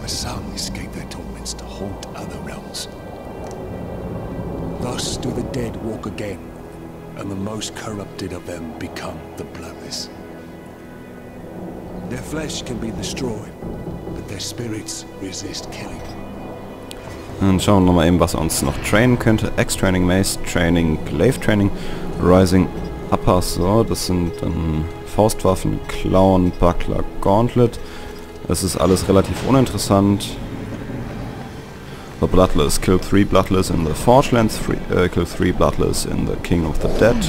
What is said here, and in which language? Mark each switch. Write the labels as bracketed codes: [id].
[en] The some escape their torments to haunt other realms. Thus do the dead walk again, and the most corrupted of them become the bloodless. Their flesh can be destroyed, but their spirits resist killing. [de] Dann schauen wir noch mal eben, was er uns noch trainen könnte. X-Training, Mace-Training, Glaive-Training, Rising Upper Sword. Das sind dann Faustwaffen, Clown, Buckler, Gauntlet. Das ist alles relativ uninteressant. [en] The Bloodless. Kill three Bloodless in the Forgelands. Kill three Bloodless in the King of the Dead.